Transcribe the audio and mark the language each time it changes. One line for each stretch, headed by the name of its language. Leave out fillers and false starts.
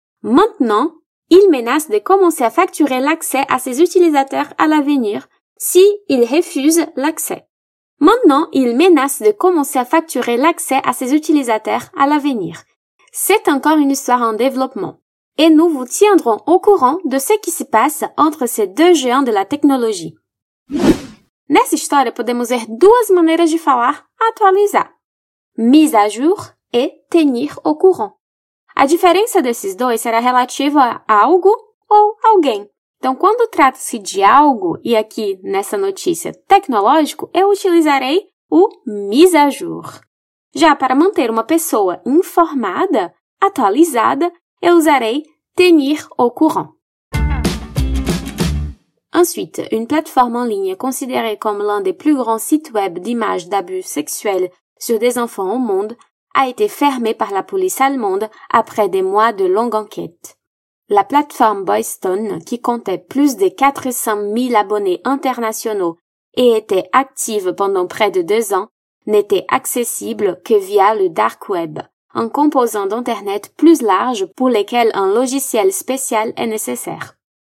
French: Maintenant, il menace de commencer à facturer l'accès à ses utilisateurs à l'avenir s'ils refusent l'accès. Maintenant, il menace de commencer à facturer l'accès à ses utilisateurs à l'avenir. C'est encore une histoire en développement. Et nous vous tiendrons au courant de ce qui se passe entre ces deux géants de la technologie.
Portuguese: Nessa história, podemos ver duas maneiras de falar atualizar.
French: Mise à jour et tenir au courant.
Portuguese: A diferença desses dois será relativa a algo ou alguém. Então, quando trata-se de algo, e aqui nessa notícia tecnológico, eu utilizarei o
French: mise à jour.
Portuguese: Já para manter uma pessoa informada, atualizada, eu usarei
French: tenir au courant. Ensuite, une plateforme en ligne considérée comme l'un des plus grands sites web d'images d'abus sexuels sur des enfants au monde a été fermée par la police allemande après des mois de longue enquête. La plateforme Boystone, qui comptait plus de 400 000 abonnés internationaux et était active pendant près de 2 ans, n'était accessible que via le dark web, un composant d'Internet plus large pour lequel un logiciel spécial est nécessaire.